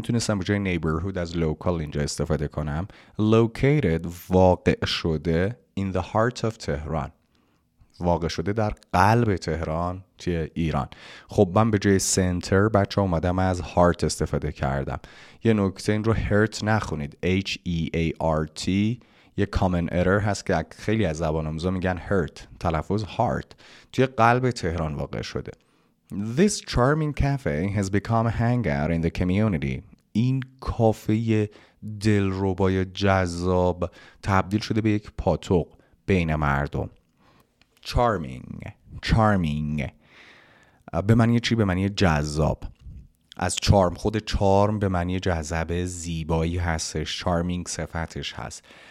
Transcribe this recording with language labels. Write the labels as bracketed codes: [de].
[fa] میتونستم بجای neighborhood از local اینجا استفاده کنم. located، واقع شده، [en] in the heart of Tehran، [fa] واقع شده در قلب تهران توی ایران. خب من به جای سنتر بچه اومدم از هارت استفاده کردم. یه نکته، این رو هرت نخونید، H-E-A-R-T، یه common error هست که خیلی از زبان آموزا میگن هرت، تلفظ هارت، توی قلب تهران واقع شده. [en] This charming cafe has become a hangout in the community. [fa] این کافه دلربای جذاب تبدیل شده به یک پاتوق بین مردم. Charming، charming به معنی چی؟ به معنی جذاب. از charm، خود charm به معنی جذاب، زیبایی هستش، charming صفتش هست.